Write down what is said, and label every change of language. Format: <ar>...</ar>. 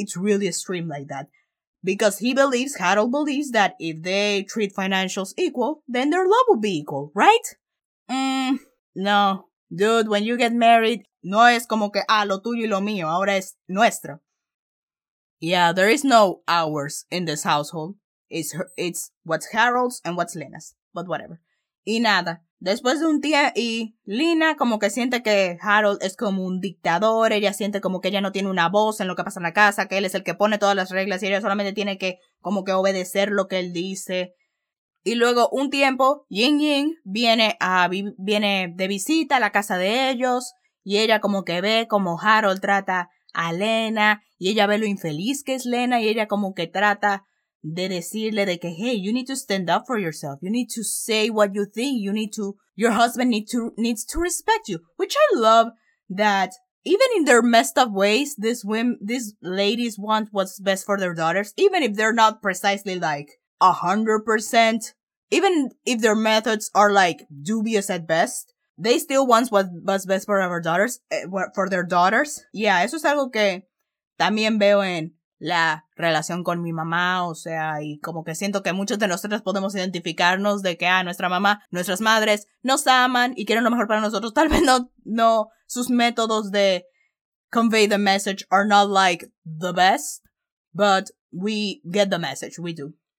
<en>It's really extreme like that. Because Harold believes that if they treat financials equal, then their love will be equal, right? No, dude, when you get married,</en> <es>no es como que, lo tuyo y lo mío, ahora es nuestro.</es> <en>Yeah, there is no ours in this household. It's what's Harold's and what's Lena's. But whatever.</en> <es>Y nada. Después de un día, y Lina como que siente que Harold es como un dictador. Ella siente como que ella no tiene una voz en lo que pasa en la casa. Que él es el que pone todas las reglas. Y ella solamente tiene que como que obedecer lo que él dice. Y luego un tiempo, Ying Ying viene de visita a la casa de ellos. Y ella como que ve como Harold trata a Lena, y ella ve lo infeliz que es Lena, y ella como que trata de decirle de que,</es> <en>hey, you need to stand up for yourself, you need to say what you think, your husband needs to respect you, which I love that even in their messed up ways, these ladies want what's best for their daughters, even if they're not precisely like 100%, even if their methods are like dubious at best, they still want what's best for their daughters.</en> <es>Yeah, eso es algo que también veo en la relación con mi mamá, o sea, y como que siento que muchos de nosotros podemos identificarnos de que, nuestra mamá, nuestras madres nos aman y quieren lo mejor para nosotros. Tal vez no, sus métodos de</es> <en>convey the message are not like the best, but we get the message, we do.</en>